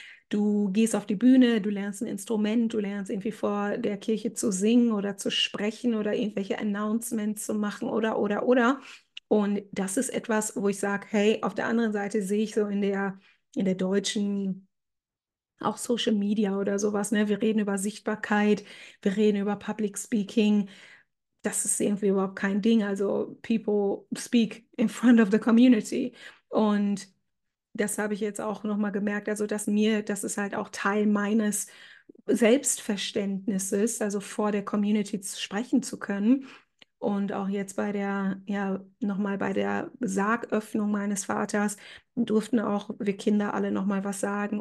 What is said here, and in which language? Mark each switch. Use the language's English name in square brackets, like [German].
[German] Du gehst auf die Bühne, du lernst ein Instrument, du lernst irgendwie vor der Kirche zu singen oder zu sprechen oder irgendwelche Announcements zu machen oder. Und das ist etwas, wo ich sage, hey, auf der anderen Seite sehe ich so in der deutschen, auch Social Media oder sowas, ne? Wir reden über Sichtbarkeit, wir reden über Public Speaking. Das ist irgendwie überhaupt kein Ding. [English] Also, people speak in front of the community. [German] Und das habe ich jetzt auch nochmal gemerkt. Also, das ist halt auch Teil meines Selbstverständnisses, also vor der Community sprechen zu können. Und auch jetzt bei der, ja, nochmal bei der Sargöffnung meines Vaters durften auch wir Kinder alle nochmal was sagen.